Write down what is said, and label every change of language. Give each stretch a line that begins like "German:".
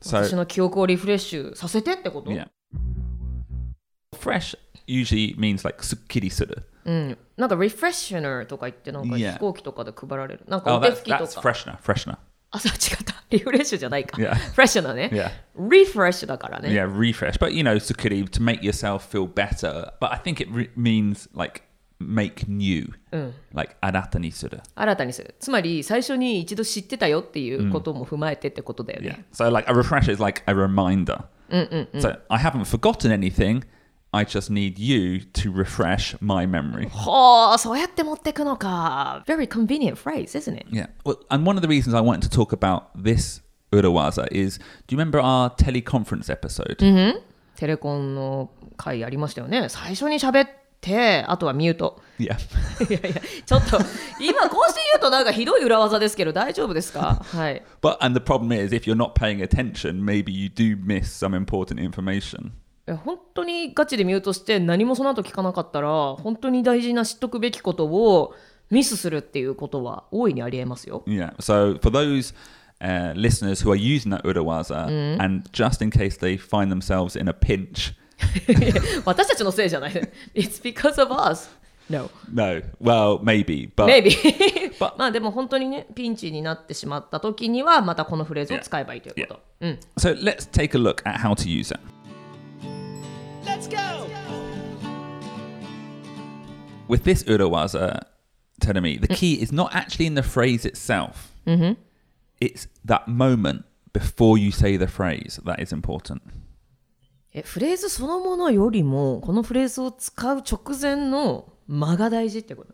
Japanese: 私の記憶をリフレッシュさせてってこと?
English: Yeah. Fresh usually means like すっきりする。
Japanese: うん。なんか refreshener とか言ってなんか飛行機とかで配られる。なんか
English: お手拭きとか。 That's freshener, freshener.
Japanese: あ、そう違った。リフレッシュじゃないか。
English: Yeah. Freshener ね。 Yeah.
Japanese: Refresh だからね。
English: Yeah, refresh. But you know, すっきり to make yourself feel better. But I think it means like... Make new,、
Japanese: うん、 like 新たにする。新たにする。つまり最初に一度知ってたよっていうことも踏まえてってことだよね。
English: Yeah. So like a refresh is like a reminder.
Japanese: うんうんうん。
English: So I haven't forgotten anything. I just need you to refresh my memory.
Japanese: はあ、そうやって持ってくのか。
English: Very convenient phrase, isn't it? Yeah. Well, and one of the reasons I wanted to talk about this urawaza is, do you remember our teleconference episode?
Japanese: うん、うん。テレコンの回ありましたよね。最初に喋ってあとはミュート。いや、いや、ちょっと今こうして言うとなんかひどい裏技ですけど大丈夫ですか？はい。
English: But and the problem is if you're not paying attention, maybe you do miss some important information.
Japanese: 本当にガチでミュートして何もその後聞かなかったら本当に大事な知っとくべきことをミスするっていうことは大いにありえますよ。
English: Yeah. So for those listeners who are using that 裏技、うん、and just in case they find themselves in a pinch.
Japanese: 私たちのせいじゃない。
English: It's because of us. No. No. Well, maybe. But... Maybe. But...
Japanese: まあでも本当にね、ピンチになってしまった時にはまたこのフレーズを使えばいいということ。
English: Yeah. Yeah. So let's take a look at how to use it. Let's go! With this urawaza, Terumi, the key is not actually in the phrase itself. It's that moment before you say the phrase that is important.
Japanese: フレーズそのものよりもこのフレーズを使う直前の間が大事ってこと、